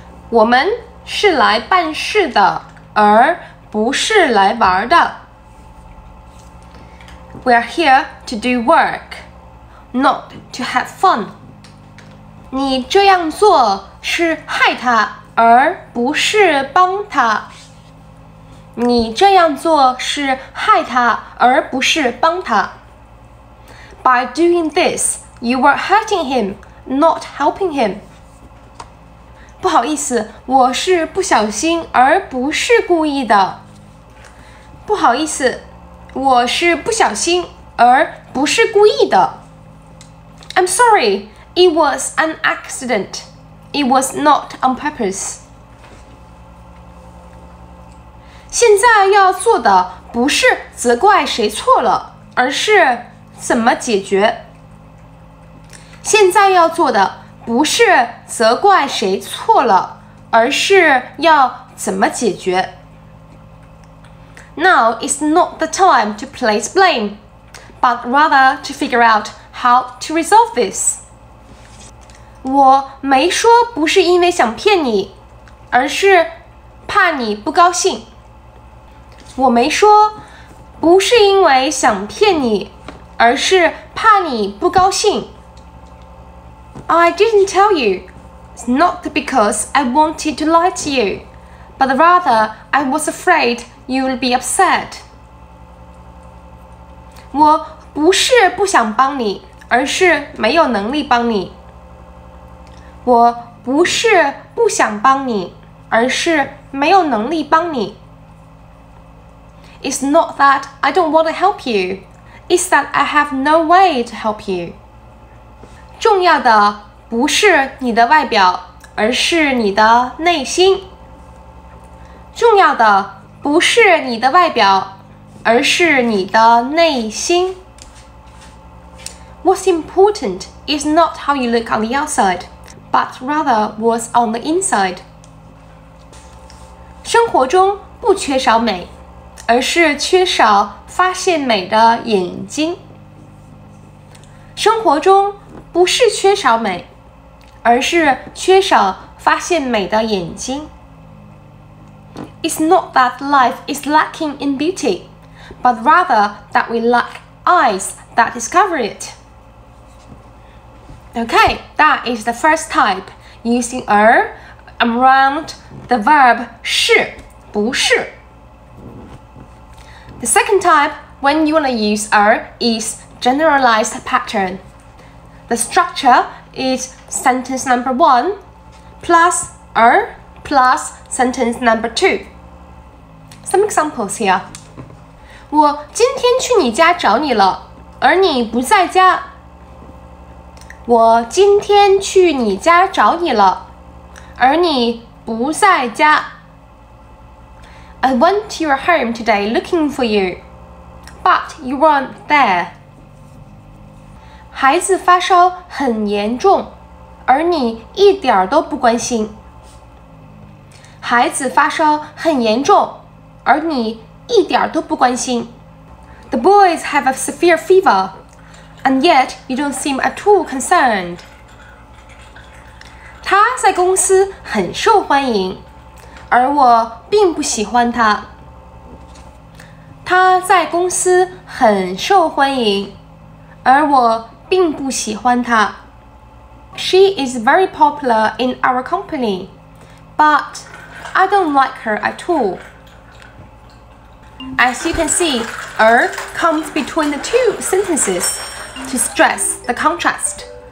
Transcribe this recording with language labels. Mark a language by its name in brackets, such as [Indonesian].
[Chinese] 我们是来办事的，而不是来玩的。 [English] We are here to do work, not to have fun. [Chinese] 你这样做是害他。而不是帮他。你这样做是害他，而不是帮他。 [English] By doing this, you are hurting him, not helping him. [Chinese] 不好意思，我是不小心，而不是故意的。不好意思，我是不小心，而不是故意的。 [English] I'm sorry, it was an accident. It was not on purpose. [Chinese] 现在要做的不是责怪谁错了，而是怎么解决。现在要做的不是责怪谁错了，而是要怎么解决。 [English] Now is not the time to place blame, but rather to figure out how to resolve this. [Chinese] 我没说不是因为想骗你，而是怕你不高兴。我没说不是因为想骗你，而是怕你不高兴。 [English] I didn't tell you. It's not because I wanted to lie to you, but rather I was afraid you'd be upset. [Chinese] 我不是不想帮你，而是没有能力帮你。我不是不想帮你，而是没有能力帮你。 [English] It's not that I don't want to help you. It's that I have no way to help you. [Chinese] 重要的不是你的外表，而是你的内心。重要的不是你的外表，而是你的内心。 [English] What's important is not how you look on the outside, but rather what's on the inside. [Chinese] 生活中不缺少美。而是缺少发现美的眼睛。生活中不是缺少美，而是缺少发现美的眼睛。 [English] It's not that life is lacking in beauty, but rather that we lack eyes that discover it. Okay, that is the first type, using 而 around the verb 是不是。 The second type, when you want to use 而, is generalized pattern. The structure is sentence number 1 plus 而 plus sentence number 2. Some examples here. [Chinese] 我今天去你家找你了，而你不在家。我今天去你家找你了，而你不在家。 [English] I went to your home today looking for you, but you weren't there. [Chinese] 孩子发烧很严重，而你一点都不关心。孩子发烧很严重，而你一点都不关心。 [English] The boys have a severe fever, and yet you don't seem at all concerned. [Chinese] 他在公司很受欢迎，而我并不喜欢他。他在公司很受欢迎，而我并不喜欢他。 [English] She is very popular in our company, but I don't like her at all. As you can see, er comes between the two sentences to stress the contrast.